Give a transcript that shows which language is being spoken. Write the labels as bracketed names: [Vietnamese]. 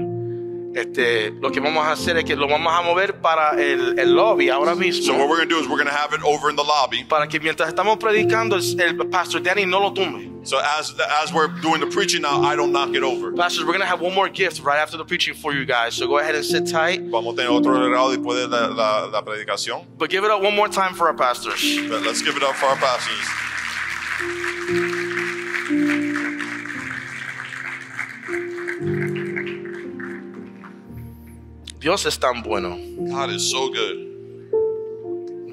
[Spanish] Lo que vamos a hacer es que lo vamos a mover para el lobby ahora mismo. [English] So what we're going to do is we're going to have it over in the lobby. [Spanish] Para que mientras estamos predicando el Pastor Danny no lo tumbe. [English] So as we're doing the preaching now, I don't knock it over. Pastors, we're going to have one more gift right after the preaching for you guys. So go ahead and sit tight. [Spanish] Vamos a tener otro regalo después de la predicación. [English] But give it up one more time for our pastors. But let's give it up for our pastors. [Spanish] Dios es tan bueno. [English] God is so good.